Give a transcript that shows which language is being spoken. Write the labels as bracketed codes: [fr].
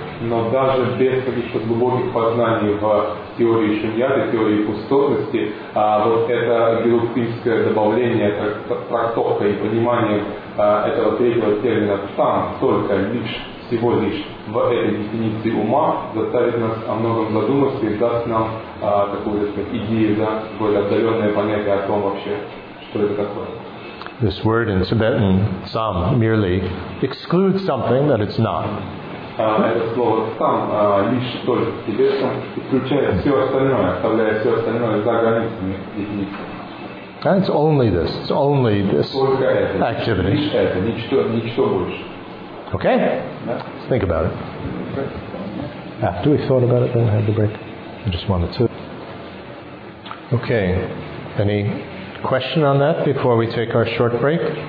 [ru] Но даже без каких-то глубоких познаний в теории шуньяты, теории пустотности, вот это галупинское добавление, трактовка и понимание этого третьего термина там только лишь. Всего лишь в этой дефиниции ума заставит нас о многом задуматься и даст нам такую, так сказать, идею, да, какое-то отдаленное понятие о том вообще, что это такое. [en] This word in Tibetan, sam, merely excludes something that it's not. [ru] Это слово сам лишь только в тибетском исключает все остальное, оставляя все остальное за границами дефиниции. [en] And it's only this. It's only this activity. [ru] Лишь это, ничто, ничто больше. [en] Okay? Let's think about it. After we thought about it, then I had the break. I just wanted to. Okay. Any question on that before we take our short break?